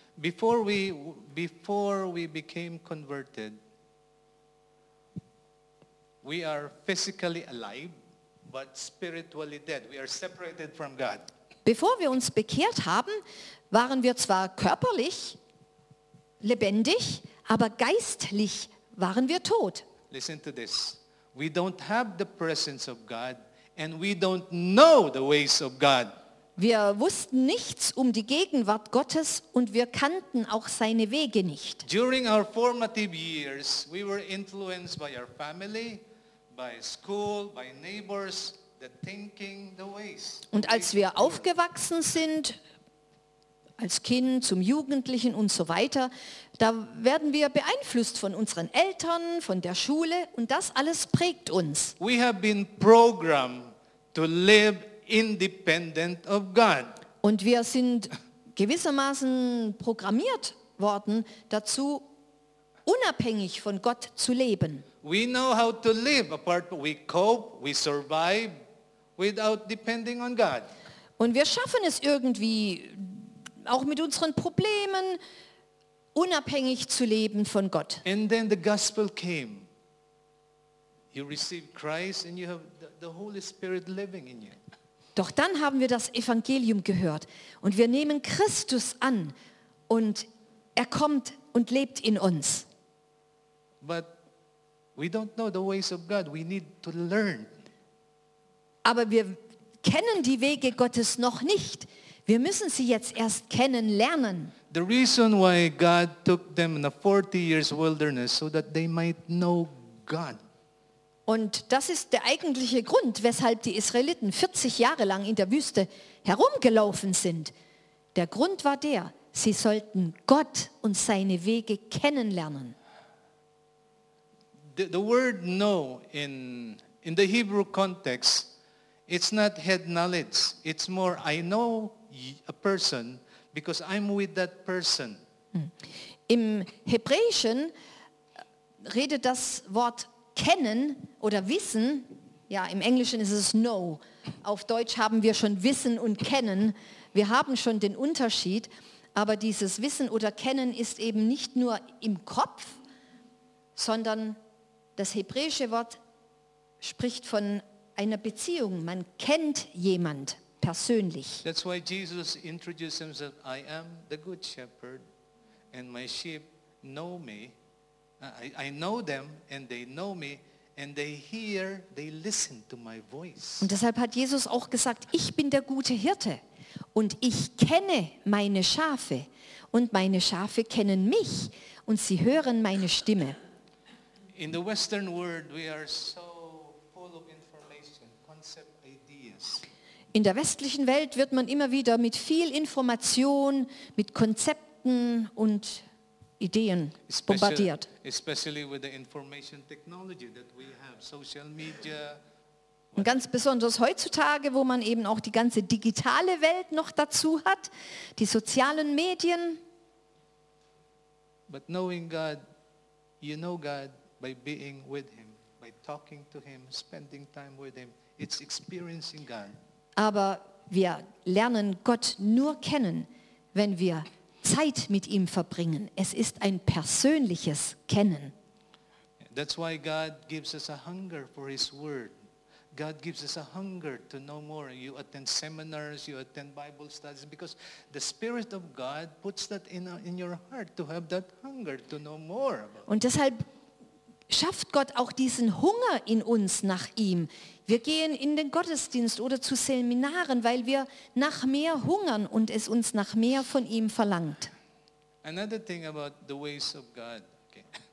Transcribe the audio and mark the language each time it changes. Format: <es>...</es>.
<en>Before we became converted, we are physically alive, but spiritually dead. We are separated from God.</en> <de>Bevor wir uns bekehrt haben, waren wir zwar körperlich lebendig, aber geistlich waren wir tot.</de> <en>Listen to this. We don't have the presence of God and we don't know the ways of God.</en> <de>Wir wussten nichts um die Gegenwart Gottes und wir kannten auch seine Wege nicht.</de> <en>During our formative years, we were influenced by our family, by school, by neighbors, the thinking, the ways.</en> <de>Und als wir aufgewachsen sind, als Kind, zum Jugendlichen und so weiter, da werden wir beeinflusst von unseren Eltern, von der Schule und das alles prägt uns.</de> <en>We have been programmed to live independent of God.</en> <de>Und wir sind gewissermaßen programmiert worden dazu, unabhängig von Gott zu leben.</de> <en>We know how to live apart, we cope, we survive without depending on God.</en> <de>Und wir schaffen es irgendwie, auch mit unseren Problemen unabhängig zu leben von Gott.</de> <en>And then the gospel came. You received Christ and you have the Holy Spirit living in you.</en> <de>Doch dann haben wir das Evangelium gehört und wir nehmen Christus an und er kommt und lebt in uns.</de> <en>But we don't know the ways of God. We need to learn.</en> <de>Aber wir kennen die Wege Gottes noch nicht. Wir müssen sie jetzt erst kennenlernen.</de> <en>The reason why God took them in a 40 years wilderness so that they might know God.</en> <de>Und das ist der eigentliche Grund, weshalb die Israeliten 40 Jahre lang in der Wüste herumgelaufen sind. Der Grund war der, sie sollten Gott und seine Wege kennenlernen.</de> <en>The word know in the Hebrew context, it's not head knowledge. It's more I know a person because I'm with that person.</en> <de>Im Hebräischen redet das Wort kennen oder wissen, ja, im Englischen ist es know. Auf Deutsch haben wir schon wissen und kennen. Wir haben schon den Unterschied, aber dieses Wissen oder Kennen ist eben nicht nur im Kopf, sondern das hebräische Wort spricht von einer Beziehung. Man kennt jemand persönlich.</de> <en>That's why Jesus introduced himself, I am the good shepherd and my sheep know me. I know them and they know me and they hear, they listen to my voice.</en> <de>Und deshalb hat Jesus auch gesagt, ich bin der gute Hirte und ich kenne meine Schafe und meine Schafe kennen mich und sie hören meine Stimme.</de> <en>In the Western world we are so full of information, concept, ideas.</en> <de>In der westlichen Welt wird man immer wieder mit viel Information, mit Konzepten und Ideen bombardiert.</de> <en>Especially with the information technology that we have, social media.</en> <de>Und ganz besonders heutzutage, wo man eben auch die ganze digitale Welt noch dazu hat, die sozialen Medien.</de> <en>But knowing God, you know God by being with him, by talking to him, spending time with him, it's experiencing God.</en> <de>Aber wir lernen Gott nur kennen, wenn wir Zeit mit ihm verbringen. Es ist ein persönliches Kennen.</de> <en>That's why God gives us a hunger for his word. God gives us a hunger to know more. You attend seminars, you attend Bible studies, because the Spirit of God puts that in your heart to have that hunger to know more about.</en> <de>Und deshalb schafft Gott auch diesen Hunger in uns nach ihm. Wir gehen in den Gottesdienst oder zu Seminaren, weil wir nach mehr hungern und es uns nach mehr von ihm verlangt.</de> <en>Another thing about the ways of God. Okay.</en>